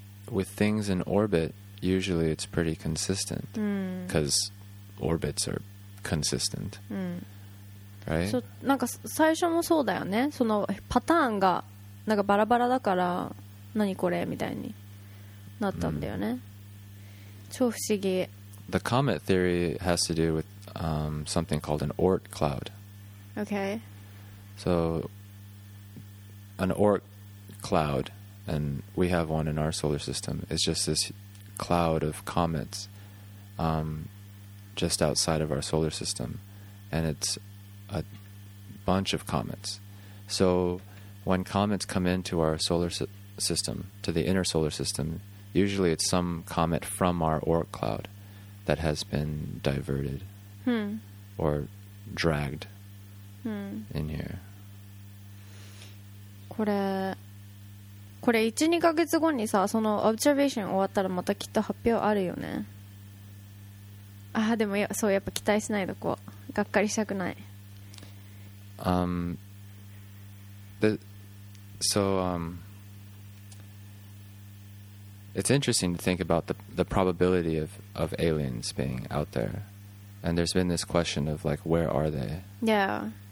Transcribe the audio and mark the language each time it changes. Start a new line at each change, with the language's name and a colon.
English: With things in orbit, usually it's pretty consistent because orbits are consistent. Right?
Japanese: そう、なんか最初もそうだよね。そのパターンがなんかバラバラだから何これみたいになったんだよね。超不思議。
English: The comet theory has to do with something called an Oort cloud. Okay. So an Oort cloud, and we have one in our solar system, is just this cloud of comets just outside of our solar system. And it'sa bunch of comets. So when comets come into our solar system, to the inner solar system, usually it's some comet from our Oort cloud that has been diverted or dragged in here.
Japanese: これ1、2ヶ月後にさ、その observation 終わったらまたきっと発表あるよね。ああ、でもそう、やっぱ期待しないとこう、がっかりしたくない。
English: It's interesting to think about the probability of aliens being out there, and there's been this question of like, where are they? Yeah.